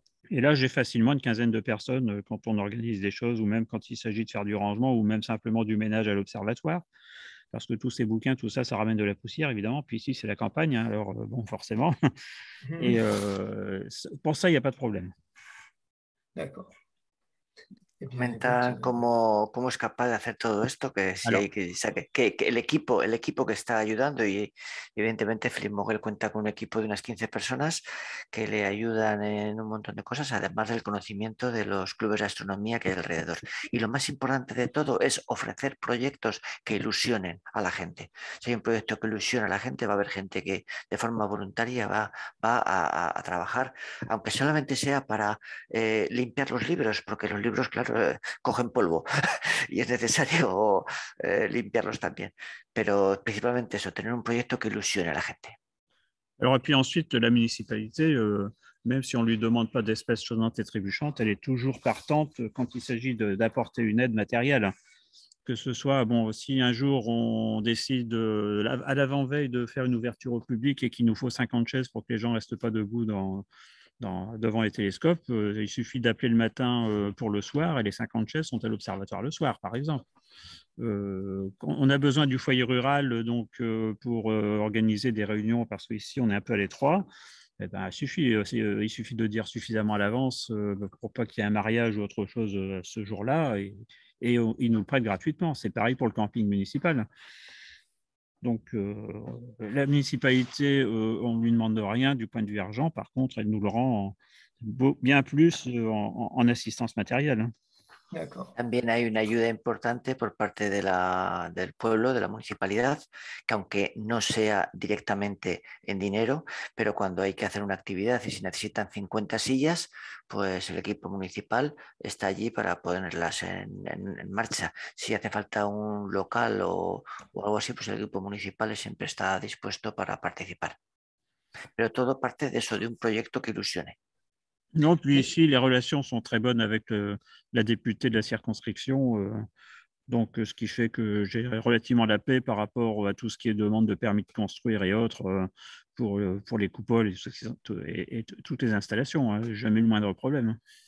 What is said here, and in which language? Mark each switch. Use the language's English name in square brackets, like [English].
[French] Et là, j'ai facilement une quinzaine de personnes quand on organise des choses, ou même quand il s'agit de faire du rangement, ou même simplement du ménage à l'observatoire. Parce que tous ces bouquins, tout ça ramène de la poussière, évidemment. Puis ici, c'est la campagne, hein, alors bon, forcément. Et pour ça, il n'y a pas de problème. D'accord. Eh bien, écoute. [Spanish] Comenta cómo es capaz de hacer todo esto, que si hay [French] Alors. [Spanish] que, o sea, que el equipo que está ayudando, y evidentemente Flip-Mogul cuenta con un equipo de unas 15 personas que le ayudan en un montón de cosas, además del conocimiento de los clubes de astronomía que hay alrededor. Y lo más importante de todo es ofrecer proyectos que ilusionen a la gente. Si hay un proyecto que ilusiona a la gente, va a haber gente que de forma voluntaria va a trabajar, aunque solamente sea para limpiar los libros, porque los libros, claro, cogen polvo y es necesario limpiarlos también, pero principalmente eso, tener un proyecto que ilusione a la gente. [French] Alors, et puis ensuite, la municipalité, même si on ne lui demande pas d'espèces sonnantes et trébuchantes, elle est toujours partante quand il s'agit d'apporter une aide matérielle. Que ce soit, bon, si un jour on décide à l'avant-veille de faire une ouverture au public et qu'il nous faut 50 chaises pour que les gens ne restent pas debout devant les télescopes, il suffit d'appeler le matin, pour le soir et les 50 chaises sont à l'observatoire le soir, par exemple. On a besoin du foyer rural donc pour organiser des réunions parce qu'ici on est un peu à l'étroit. Eh ben, il suffit de dire suffisamment à l'avance pour pas qu'il y ait un mariage ou autre chose ce jour-là et ils nous le prêtent gratuitement. C'est pareil pour le camping municipal. Donc la municipalité, on ne lui demande de rien du point de vue argent. Par contre, elle nous le rend bien plus en assistance matérielle. D'accord. [Spanish] También hay una ayuda importante por parte del pueblo, de la municipalidad, que aunque no sea directamente en dinero, pero cuando hay que hacer una actividad y se necesitan 50 sillas, pues el equipo municipal está allí para ponerlas en marcha. Si hace falta un local o algo así, pues el equipo municipal siempre está dispuesto para participar. Pero todo parte de eso, de un proyecto que ilusione. [French] Non, puis ici, les relations sont très bonnes avec la députée de la circonscription. Donc, ce qui fait que j'ai relativement la paix par rapport à tout ce qui est demande de permis de construire et autres pour les coupoles et toutes les installations. Hein, jamais le moindre problème.